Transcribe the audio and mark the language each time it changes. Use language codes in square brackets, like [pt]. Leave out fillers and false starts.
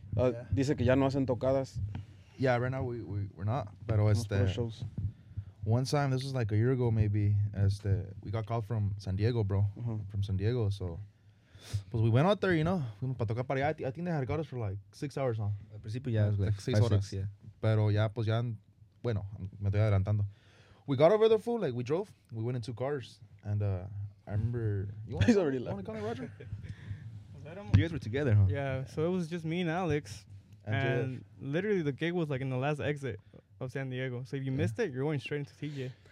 [es] Dice que ya no hacen tocadas. [en] Yeah, right now we're not. But shows. One time, this was like a year ago maybe, we got called from San Diego, bro. Uh-huh. From San Diego. So, but we went out there, you know. We went to [es] tocar. [en] I think they had got us for like 6 hours, huh? [es] Al principio, [en] yeah, it was like 6 [es] horas. [en] Six, yeah. [es] Pero ya, pues ya, bueno, me estoy adelantando. [en] We got over there, fool. Like, we drove. We went in two cars. And I remember. You want, he's already left. You want to call me Roger? You guys were together, huh? Yeah, so it was just me and Alex. And literally, the gig was like in the last exit of San Diego. So if you missed it, you're going straight into TJ.